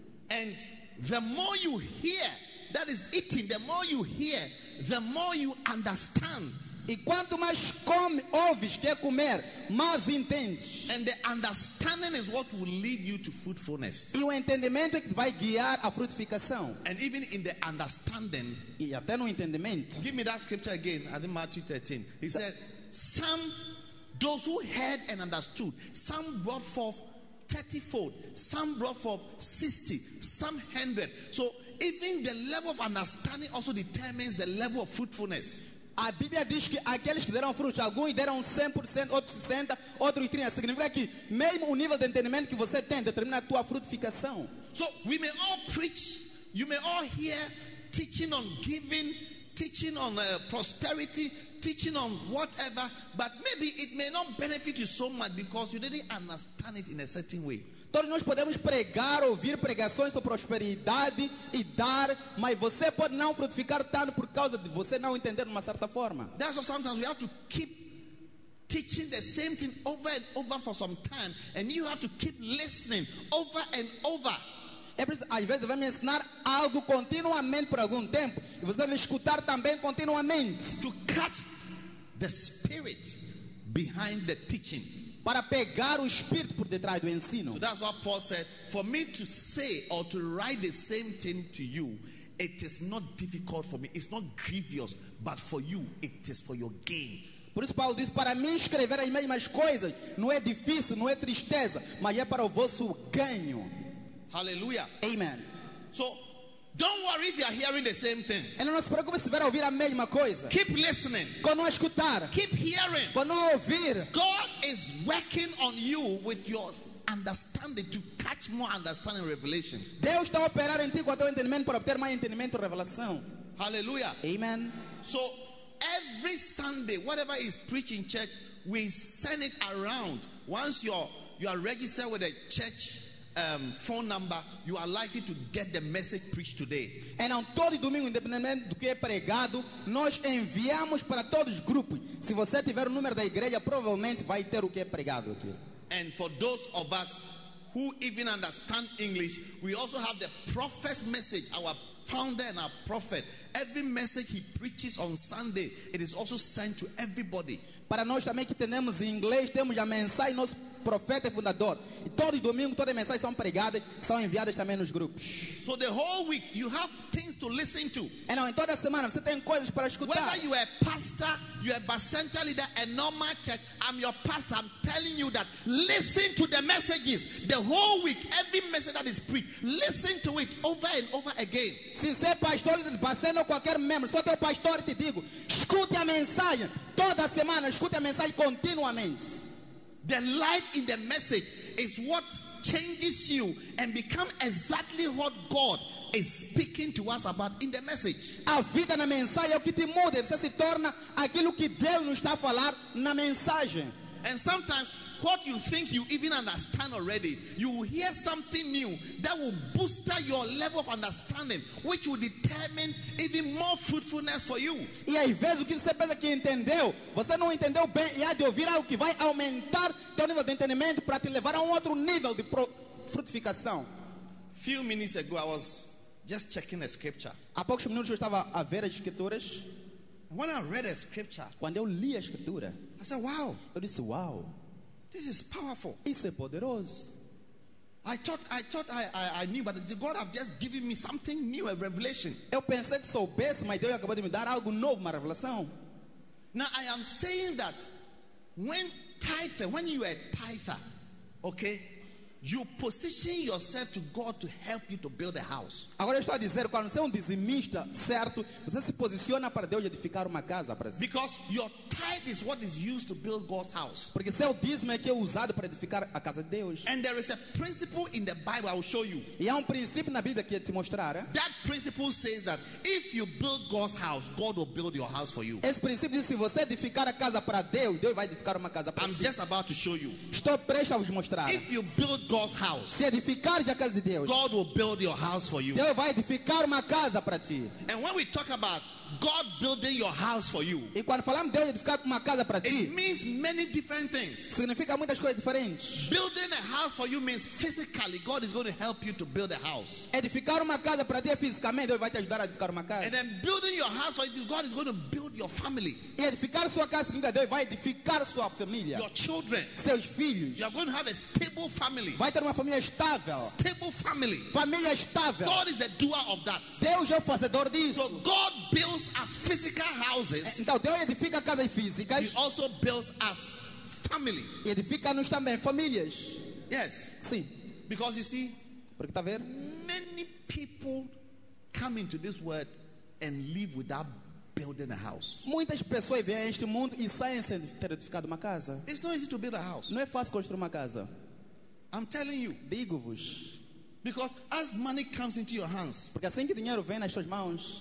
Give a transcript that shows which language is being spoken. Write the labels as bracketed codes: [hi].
[en] And the more you hear, that is eating, the more you hear, the more you understand. [pt] E quanto mais come, ouves, quer comer, mais entendes. [en] And the understanding is what will lead you to fruitfulness. [pt] E o entendimento é que vai guiar a frutificação. [en] And even in the understanding. [pt] E até no entendimento. [en] Give me that scripture again. I think Matthew 13. He said, some, those who heard and understood, some brought forth 30-fold, some brought forth 60, some 100. So even the level of understanding also determines the level of fruitfulness. [pt] A Bíblia diz que aqueles que deram frutos, alguns deram 100%, outros 60, outros 30. Significa que mesmo o nível de entendimento que você tem determina a tua frutificação. [en] So we may all preach, you may all hear teaching on giving, teaching on prosperity, teaching on whatever, but maybe it may not benefit you so much because you didn't understand it in a certain way. [pt] Todos nós podemos pregar, ouvir pregações sobre prosperidade e dar, mas você pode não frutificar tanto por causa de você não entender de uma certa forma. [en] That's why sometimes we have to keep teaching the same thing over and over for some time, and you have to keep listening over and over. [pt] É preciso, às vezes, devemos ensinar algo continuamente por algum tempo. E você deve escutar também continuamente. [en] To catch the spirit behind the teaching. [pt] Para pegar o espírito por detrás do ensino. [en] So that's what Paul said. For me to say or to write the same thing to you, it is not difficult for me. It's not grievous, but for you, it is for your gain. [pt] Por isso Paulo diz, para mim escrever as mesmas coisas não é difícil, não é tristeza, mas é para o vosso ganho. Hallelujah. Amen. [en] So, don't worry if you are hearing the same thing. [pt] E não se preocupe se estiver a ouvir a mesma coisa. [en] Keep listening. [pt] Continue a escutar. [en] Keep hearing. [pt] Continue a ouvir. [en] God is working on you with your understanding to catch more understanding revelation. [pt] Deus está a operar em ti com o teu entendimento para obter mais entendimento e revelação. Hallelujah. Amen. [en] So, every Sunday, whatever is preached in church, we send it around. Once you are registered with a church phone number, you are likely to get the message preached today. And on [pt] todo domingo, independentemente do que é pregado, nós enviamos para todos os grupos. Se você tiver o número da igreja, provavelmente vai ter o que é pregado aqui. [en] And for those of us who even understand English, we also have the prophet's message, our founder and our prophet. Every message he preaches on Sunday, it is also sent to everybody. [pt] Para nós também que temos em inglês, temos a mensagem nosso profeta e fundador. E todo domingo, todas as mensagens são pregadas, são enviadas também nos grupos. [en] So the whole week, you have things to listen to. [pt] Então, em toda semana, você tem coisas para escutar. [en] Whether you are a pastor, you are a bus center leader, a normal church, I'm your pastor, I'm telling you that, listen to the messages. The whole week, every message that is preached, listen to it over and over again. [pt] Se você é pastor, bus center ou qualquer membro, só teu pastor, te digo, escute a mensagem. Toda semana, escute a mensagem continuamente. [en] The light in the message is what changes you and become exactly what God is speaking to us about in the message. [pt] A vida na mensagem é o que te muda. Você se torna aquilo que Deus nos está a falar na mensagem. [en] And sometimes, what you think you even understand already, you will hear something new that will boost your level of understanding, which will determine even more fruitfulness for you. [pt] E às vezes o que você pensa que entendeu, você não entendeu bem, e há de ouvir algo que vai aumentar teu nível de entendimento para te levar a outro nível de frutificação. [en] Few minutes ago, I was just checking a scripture. [pt] Há poucos minutos eu estava a ver as escrituras. [en] When I read a scripture, [pt] quando eu li a escritura, [en] I said, "Wow!" [pt] Eu disse, "Wow!" [en] This is powerful. [pt] Isso é poderoso. [en] I thought I knew, but God have just given me something new, a revelation. [pt] Eu pensei que soubesse, mas Deus acabou de me dar algo novo, uma revelação. [en] Now I am saying that when you are a tither, okay, you position yourself to God to help you to build a house. [pt] Agora eu estou a dizer, quando você é dizimista, certo, você se posiciona para Deus edificar uma casa para si. [en] Because your tithe is what is used to build God's house. [pt] Porque seu dízimo é que é usado para edificar a casa de Deus. [en] And there is a principle in the Bible I will show you. [pt] E há princípio na Bíblia que eu te mostrar. [en] That principle says that if you build God's house, God will build your house for you. [pt] Esse princípio diz, se você edificar a casa para Deus, Deus vai edificar uma casa para [en] si. I'm just about to show you. [pt] Estou prestes a vos mostrar. [en] If you build God's house. [pt] Se edificar a casa de Deus. [en] God will build your house for you. [pt] Deus vai edificar uma casa para ti. [en] And when we talk about God building your house for you, [pt] e quando falamos de Deus edificar uma casa para ti, [en] it means many different things. [pt] Significa muitas coisas diferentes. [en] Building a house for you means physically God is going to help you to build a house. [pt] Edificar uma casa para ti é fisicamente, Deus vai te ajudar a edificar uma casa. [en] And then building your house for you, God is going to build your family. [pt] E edificar sua casa significa Deus vai edificar sua família. [en] Your children, [pt] seus filhos. [en] You are going to have a stable family. [pt] Vai ter uma família estável. [en] Stable family. [pt] Família estável. [en] God is a doer of that. [pt] Deus é o fazedor disso. [en] So God builds as physical houses. [pt] Então Deus edifica casas físicas. [en] He also builds as family. [pt] E edifica-nos também famílias. [en] Yes. [pt] Sim. [en] Because you see, [pt] porque tá a ver? [en] Many people come into this world and live without building a house. [pt] Muitas pessoas vêm a este mundo e saem sem ter edificado uma casa. [en] It's not easy to build a house. [pt] Não é fácil construir uma casa. [en] I'm telling you. [pt] Digo-vos. [en] Because as money comes into your hands, [pt] porque assim que dinheiro vem nas suas mãos,